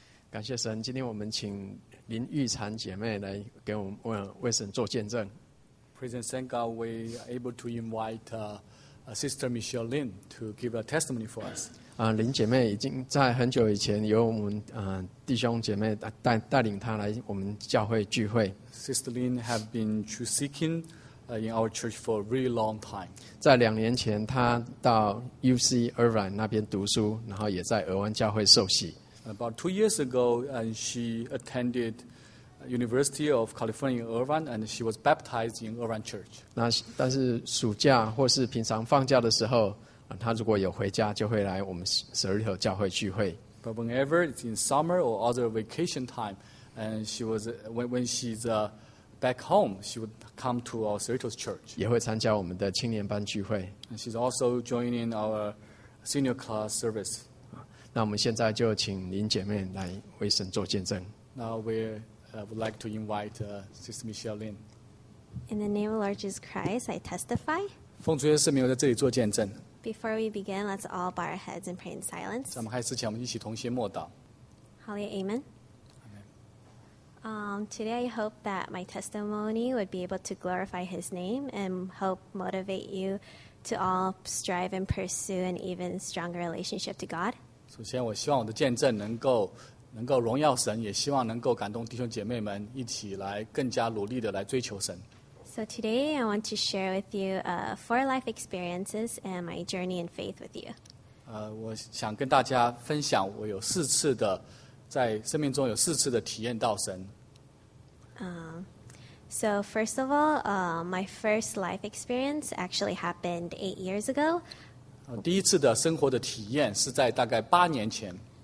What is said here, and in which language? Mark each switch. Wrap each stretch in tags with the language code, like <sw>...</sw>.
<zh>感谢神，今天我们请林玉婵姐妹来给我们为神做见证。</zh> <en>Praise and thank God, we are able to invite Sister Michelle Lin to give a testimony for us.</en> <zh>林姐妹已经在很久以前由我们弟兄姐妹带领她来我们教会聚会。</zh> <en>Sister Lin have been truth seeking in our church for a really long time.</en> <zh>在两年前，她到 UC Irvine 那边读书，然后也在俄湾教会受洗。</zh> <en>About 2 years ago, and she attended University of California in Irvine, and she was baptized in Irvine Church.</en> <zh>但是暑假或是平常放假的时候，她如果有回家，就会来我们十二条教会聚会。</zh> <en>But whenever it's in summer or other vacation time, and she was when she's back home, she would come to our Cerritos Church.</en> <zh>也会参加我们的青年班聚会。</zh> <en>And she's also joining our senior class service.</en> <zh>那我们现在就请林姐妹来为神做见证。</zh> <en>Now we would like to invite Sister Michelle Lin. In the name of Lord Jesus Christ, I testify.</en> <zh>奉主耶稣名在这里做见证。</zh> <en>Before we begin, let's all bow our heads and pray in silence.</en> <zh>在我们开始前，我们一起同心默祷。</zh> <en>Hallelujah, Amen. Today I hope that my testimony would be able to glorify His name and help motivate you to all strive and pursue an even stronger relationship to God.</en> <zh>首先，我希望我的见证能够荣耀神，也希望能够感动弟兄姐妹们一起来更加努力的来追求神。</zh> <en>So today I want to share with you four life experiences and my journey in faith with you.</en> <zh>我想跟大家分享我有四次的在生命中有四次的体验到神。</zh> <en>So first of all, my first life experience actually happened 8 years ago.</en> <zh>第一次的生活的体验是在大概八年前。</zh>